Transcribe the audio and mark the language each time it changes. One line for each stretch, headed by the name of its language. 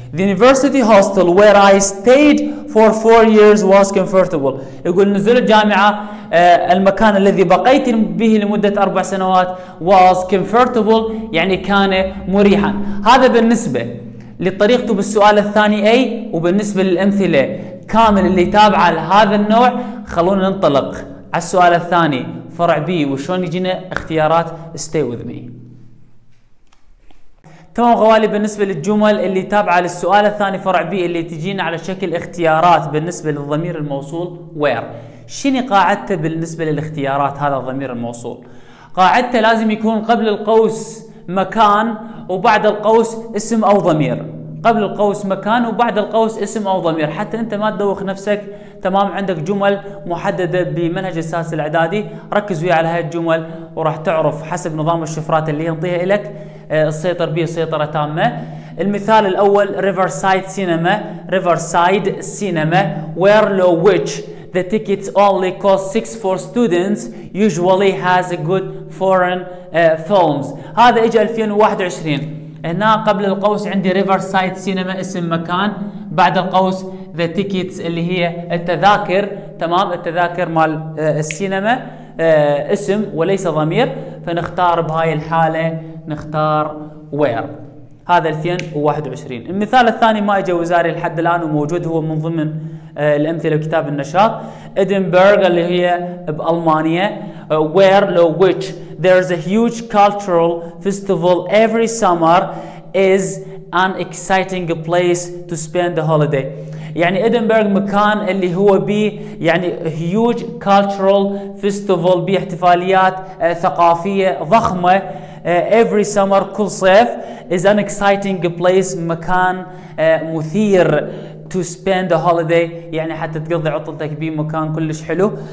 English: The university hostel where I stayed for 4 years was comfortable.
Arabic: يقول نزول الجامعة المكان الذي بقيت به لمدة 4 سنوات
English: was comfortable،
Arabic: يعني كان مريحا. هذا بالنسبة لطريقته بالسؤال الثاني أي، وبالنسبة للأمثلة كامل اللي تابعة لهذا النوع. خلونا ننطلق على السؤال الثاني فرع بي، وشون يجينا اختيارات.
English: stay with me.
Arabic: تمام غوالي، بالنسبة للجمل اللي تابعة للسؤال الثاني فرع بي اللي تجينا على شكل اختيارات بالنسبة للضمير الموصول where، شنو قاعدته بالنسبة للاختيارات؟ هذا الضمير الموصول قاعدته لازم يكون قبل القوس مكان وبعد القوس اسم أو ضمير، قبل القوس مكان وبعد القوس اسم أو ضمير، حتى أنت ما تدوخ نفسك. تمام، عندك جمل محددة بمنهج الساس الإعدادي، ركز وياي على هاي الجمل وراح تعرف حسب نظام الشفرات اللي ينطيها إليك السيطر به سيطرة تامة. المثال الأول Riverside Cinema.
English: Riverside Cinema where low which the tickets only cost 6 for students usually has a good foreign films.
Arabic: هذا إجا 2021. هنا قبل القوس عندي Riverside Cinema اسم مكان، بعد القوس the tickets اللي هي التذاكر، تمام، التذاكر مال السينما اسم وليس ضمير، فنختار بهاي الحالة نختار where. هذا 2021. المثال الثاني ما اجى وزاري لحد الان وموجود، هو من ضمن الامثله وكتاب النشاط. ادنبرغ اللي هي بالمانيا.
English: Where low which there is a huge cultural festival every summer is an exciting place to spend the holiday.
Arabic: يعني ادنبرغ مكان اللي هو بي يعني
English: huge cultural festival،
Arabic: بي احتفاليات ثقافيه ضخمه.
English: Every summer
Arabic: كل صيف
English: is an exciting place،
Arabic: مكان مثير
English: to spend a holiday
Arabic: يعني حتى تقضي عطلتك به، مكان كلش حلو.